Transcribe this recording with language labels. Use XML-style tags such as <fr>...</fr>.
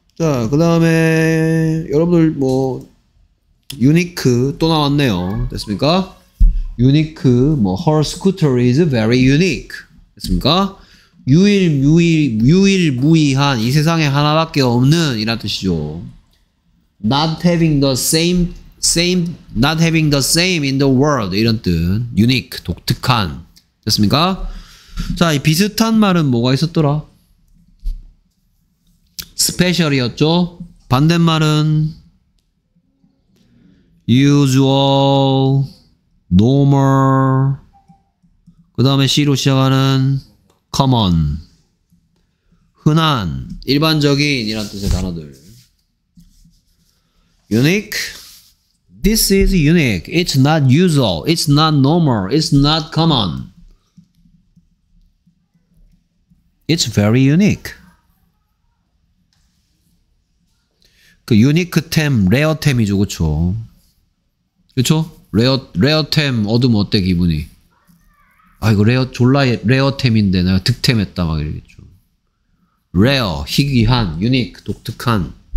<ko>자, 그 다음에 여러분들 뭐 unique 또 나왔네요. 됐습니까?</ko> <en>unique 뭐 her scooter is very unique</en> <ko>됐습니까? 유일무이한 이 세상에 하나밖에 없는 이란 뜻이죠.</ko> <en>not having the same not having the same in the world</en> <ko>이런 뜻. unique 독특한 됐습니까? 자, 이 비슷한 말은 뭐가 있었더라? special이었죠. 반대말은 usual, normal, 그 다음에 C로 시작하는 common, 흔한, 일반적인 이란 뜻의 단어들.</ko> <en>unique, this is unique, it's not usual, it's not normal, it's not common, it's very unique.</en> <ko>그 유니크템, 레어템이죠. 그쵸? 그쵸? 레어템 얻으면 어때 기분이? 아 이거 레어 졸라 레어템인데 내가 득템했다 막 이러겠죠. 레어, 희귀한, 유니크, 독특한.</ko>